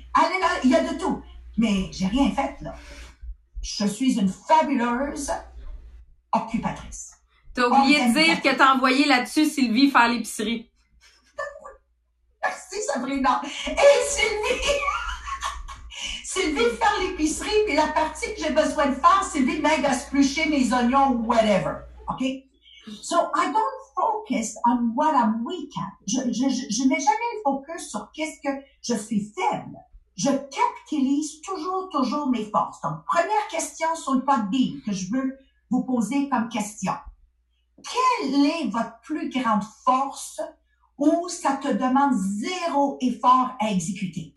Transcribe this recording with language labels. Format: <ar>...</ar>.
<fr>Allez, là, il y a de tout. Mais j'ai rien fait, là. Je suis une fabuleuse occupatrice. T'as oublié de dire que t'as envoyé là-dessus Sylvie faire l'épicerie. Merci Sabrina. Et Sylvie! Sylvie faire l'épicerie, puis la partie que j'ai besoin de faire, Sylvie m'aide à splucher mes oignons ou whatever. OK?</fr> <en>So, I don't focus on what I'm weak at.</en> <fr>Je mets jamais le focus sur qu'est-ce que je suis faible. Je capitalise toujours, toujours mes forces. Donc, première question sur le pot de bille que je veux vous poser comme question. Quelle est votre plus grande force où ça te demande zéro effort à exécuter?</fr>